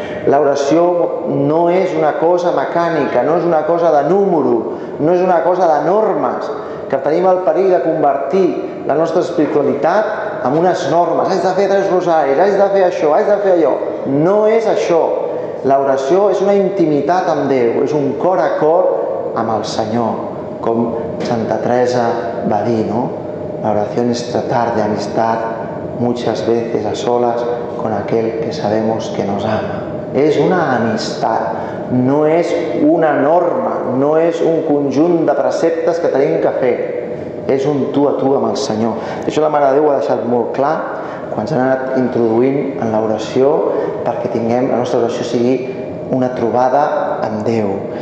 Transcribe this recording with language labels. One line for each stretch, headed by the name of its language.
Catalan: L'oració no és una cosa mecànica, no és una cosa de número, no és una cosa de normes, que tenim el perill de convertir la nostra espiritualitat en unes normes. Has de fer tres rosaris, has de fer això, has de fer allò. No és això. L'oració és una intimitat amb Déu, és un cor a cor amb el Senyor, com Santa Teresa va dir, no?
Spanish: La oració es tratar de amistad muchas veces a solas con aquel que sabemos que nos ama.
Catalan: És una amistat, no és una norma, no és un conjunt de preceptes que tenim que fer. És un tu a tu amb el Senyor. Això la Mare de Déu ho ha deixat molt clar quan s'ha anat introduint en l'oració perquè tinguem la nostra oració sigui una trobada amb Déu.